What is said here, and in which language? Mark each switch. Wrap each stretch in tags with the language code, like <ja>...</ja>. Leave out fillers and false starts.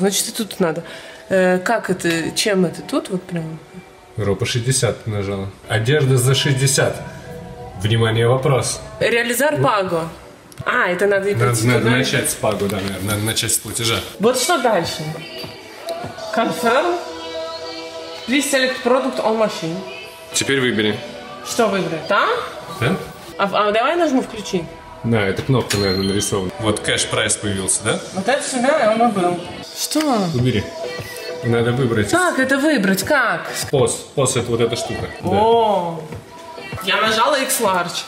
<ru>Значит, и тут надо... Как это? Чем это? Тут вот прям? Ропа 60 нажала. Одежда за 60. Внимание, вопрос. Реализар Паго. А, это надо и платить. Надо начать с Паго, да, наверное. Надо начать с платежа. Вот что дальше? Confirm.</ru> <en>Please select product on machine.</en> <ru>Теперь выбери. Что выбрать? Там? Да. А давай нажму включи. Да, это кнопка, наверное, нарисована. Вот кэш прайс появился, да? Вот это сюда, и он был. Что? Убери. Надо выбрать. Как это выбрать? Как? POS. POS — это вот эта штука. О! Да. Я нажала X Large.</ru>